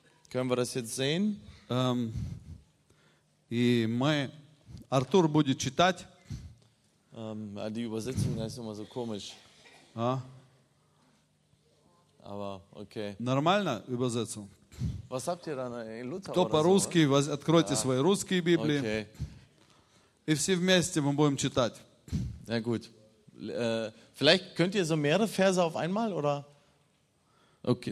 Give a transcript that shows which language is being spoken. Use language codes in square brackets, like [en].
[de] Können wir das jetzt sehen? [ru] И мы Артур будет читать. [de] А die Übersetzung ist immer so komisch. А? Aber okay. [ru] Нормально Übersetzung. [de] Was habt ihr da in Luther? [ru] Кто по-русски, откройте свои русские Библии. [de] Okay. [ru] И все вместе мы будем читать. [de] Ja gut. Vielleicht könnt ihr so mehrere Verse auf einmal oder Okay,